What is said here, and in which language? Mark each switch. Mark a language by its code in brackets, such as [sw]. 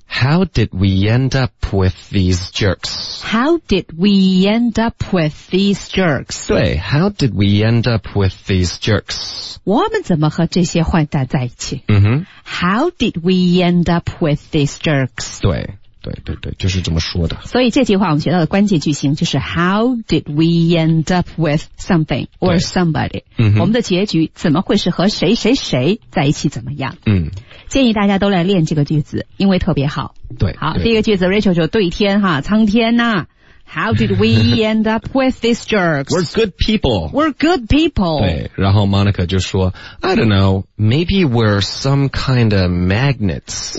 [en] How did we end up with these jerks? How did we end up with these jerks? [zh] 对 [en] ，How did we end up with these jerks? [zh] 我们怎么和这些坏蛋在一起？ [en] How did we end up with these jerks? [zh] 对对对对，就是这么说的。所以这句话我们学到的关键句型就是 [en] How did we end up with something or somebody? [zh] 我们的结局怎么会是和谁谁谁在一起怎么样？建议大家都来练这个句子，因为特别好。对，好，第一个句子 Rachel 就对天哈，苍天呐。 [en] How did we end up with these jerks? We're good people. We're good people. [zh] 对，然后 Monica 就说 [en] I don't know, maybe we're some kind of magnets.